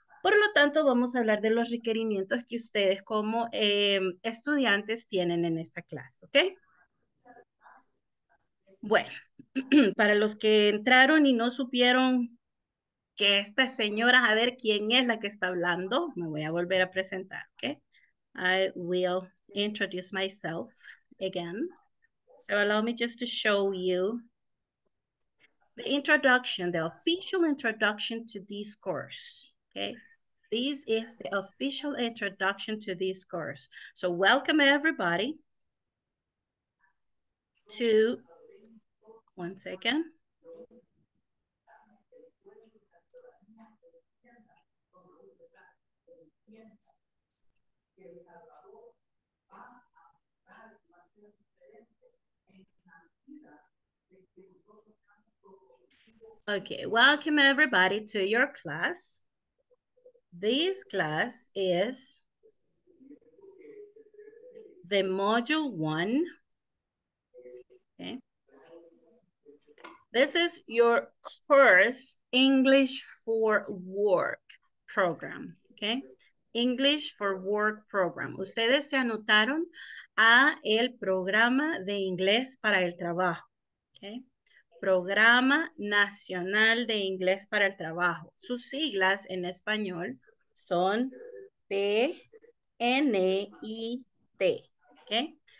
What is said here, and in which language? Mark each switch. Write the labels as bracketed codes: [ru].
[es] Por lo tanto, vamos a hablar de los requerimientos que ustedes como estudiantes tienen en esta clase, ¿ok? Bueno, para los que entraron y no supieron que esta señora, a ver quién es la que está hablando, me voy a volver a presentar, ¿ok? [en] I will introduce myself again. So allow me just to show you the introduction, the official introduction to this course. Okay. This is the official introduction to this course. So welcome everybody to, one second. Okay, welcome everybody to your class. This class is the module 1. Okay. This is your course, English for Work program. Okay. English for Work program. [es] Ustedes se anotaron a el programa de inglés para el trabajo. Okay. Programa Nacional de Inglés para el Trabajo. Sus siglas en español son PNIT. ¿Okay?